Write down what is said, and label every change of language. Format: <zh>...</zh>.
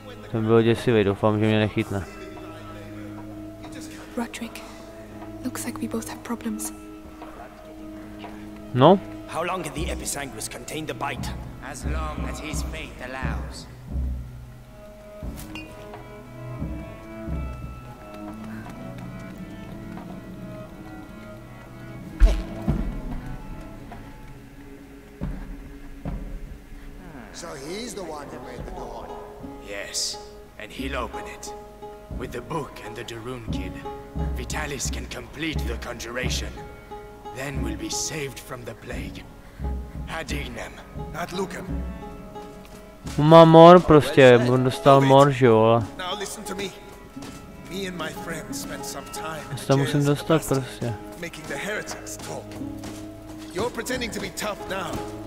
<cs>To bylo děsivý, doufám, že mě nechytne.</cs> <en>Roderick, looks like we both have problems.</en> <cs>No?</cs> <en>How long can the Episanguis contain the bite? As long as his fate allows. So he's the one that made the door. Yes, and he'll open it. With the book and the Darun kid, Vitalis can complete the conjuration. Then we'll be saved from the plague.</en> <la>Ad ignem, ad lucem.</la> <cs>Má mor prostě, on dostal mor, že jo?</cs> <en>Now listen to me. Me and my friends spent some time</en> <cs>to musím dostat prostě.</cs> <en>Making the heretics talk. You're pretending to be tough now.</en>